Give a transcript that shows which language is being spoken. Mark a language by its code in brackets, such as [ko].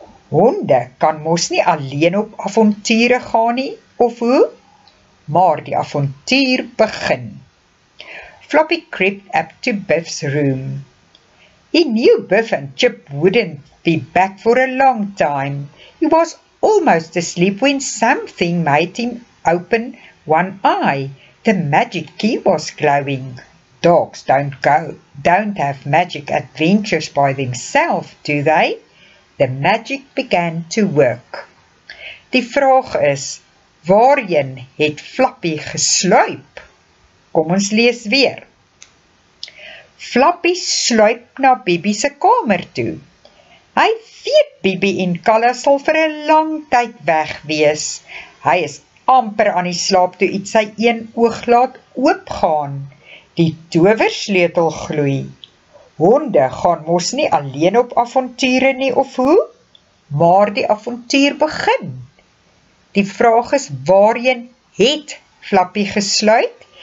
[af] Honde kan mos nie alleen op avonture gaan nie, of hoe? Maar die avontuur begin. [en] Flappie crept up to Biff's room. He knew Biff and Chip wouldn't be back for a long time. He was almost asleep when something made him open one eye. The magic key was glowing. Dogs don't have magic adventures by themselves, do they? The magic began to work. [af] Die vraag is, waarheen het Flappie gesluip? Kom ons lees weer. Flappie sluip na Bibi se kamer toe. Hy weet Bibi en Kala sal vir 'n lang tyd weg wees. Hy is amper aan die slaap toe iets sy een oog laat oopgaan. Die towersleutel gloei. Honde gaan mos nie alleen op avonture nie, of hoe? Maar die avontuur begin. Die vraag is, waarheen het Flappie gesluip?